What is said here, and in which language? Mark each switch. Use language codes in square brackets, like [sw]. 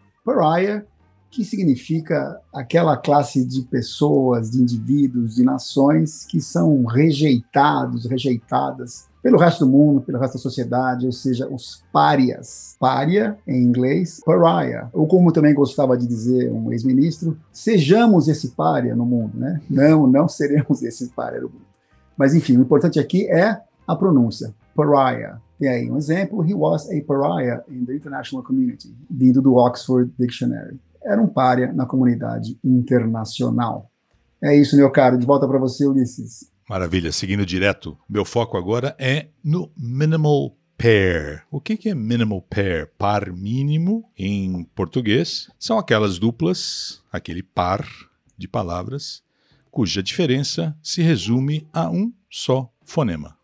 [pt] Pariah, que significa aquela classe de pessoas, de indivíduos, de nações que são rejeitados, rejeitadas pelo resto do mundo, pelo resto da sociedade, ou seja, os párias. Pária, em inglês, pariah. Ou como também gostava de dizer um ex-ministro, sejamos esse pária no mundo, né? Não seremos esse pária no mundo. Mas enfim, o importante aqui é a pronúncia, pariah. Tem aí um exemplo, [en] he was a pariah in the international community, [pt] vindo do Oxford Dictionary. Era um pária na comunidade internacional. É isso, meu caro, de volta para você, Ulisses. Maravilha, seguindo direto, meu foco agora é no minimal pair. O que é minimal pair? Par mínimo, em português, são aquelas duplas, aquele par de palavras, cuja diferença se resume a um só fonema.